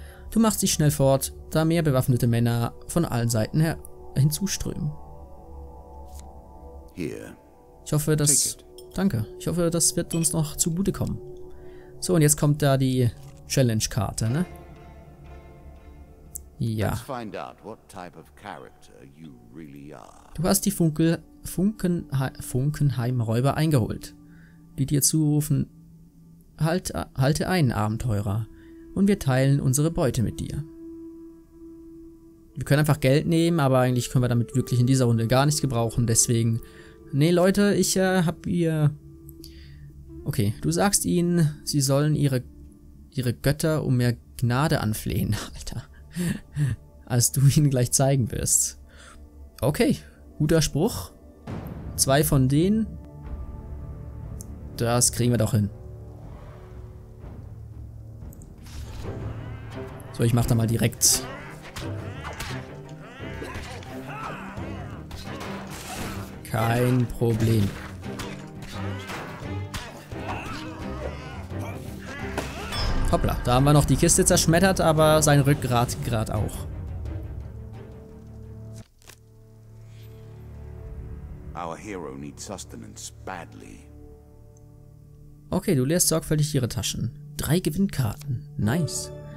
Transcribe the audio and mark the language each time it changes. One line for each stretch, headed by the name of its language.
German: Du machst dich schnell fort, da mehr bewaffnete Männer von allen Seiten hinzuströmen. Hier. Ich hoffe, dass... Danke. Ich hoffe, das wird uns noch zugutekommen. So, und jetzt kommt da die Challenge-Karte, ne? Ja.
English: Let's find out what type of character you really are.
German: Du hast die Funkenheim-Räuber eingeholt, die dir zurufen, halte ein, Abenteurer, und wir teilen unsere Beute mit dir. Wir können einfach Geld nehmen, aber eigentlich können wir damit wirklich in dieser Runde gar nichts gebrauchen, deswegen... Nee, Leute, ich hab ihr... Okay, du sagst ihnen, sie sollen ihre Götter um mehr Gnade anflehen, Alter. Als du ihnen gleich zeigen wirst. Okay, guter Spruch. 2 von denen. Das kriegen wir doch hin. So, ich mach da mal direkt. Kein Problem. Hoppla, da haben wir noch die Kiste zerschmettert, aber sein Rückgrat gerade auch.
English: Our hero needs sustenance badly.
German: Okay, du leerst sorgfältig ihre Taschen. 3 Gewinnkarten. Nice.